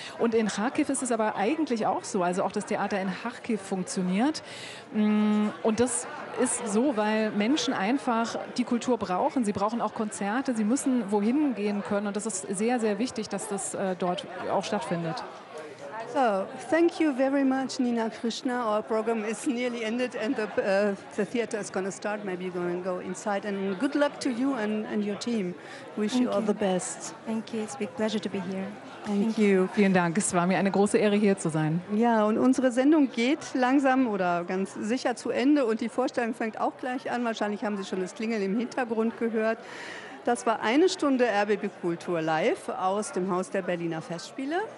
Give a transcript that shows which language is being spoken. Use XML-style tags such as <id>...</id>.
<de>Und in Kharkiv ist es aber eigentlich auch so, also auch das Theater in Kharkiv funktioniert. Und das ist so, weil Menschen einfach die Kultur brauchen. Sie brauchen auch Konzerte, sie müssen wohin gehen können. Und das ist sehr, sehr wichtig, dass das dort auch stattfindet.</de> <en>So, thank you very much, Nina Krishna. Our program is nearly ended and the theater is going to start. Maybe you're going to go inside. And good luck to you and your team. Wish you all the best. Thank you. It's a big pleasure to be here. Thank you.</en> <de>Vielen Dank. Es war mir eine große Ehre, hier zu sein. Ja, und unsere Sendung geht langsam oder ganz sicher zu Ende und die Vorstellung fängt auch gleich an. Wahrscheinlich haben Sie schon das Klingeln im Hintergrund gehört. Das war eine Stunde RBB Kultur live aus dem Haus der Berliner Festspiele.</de>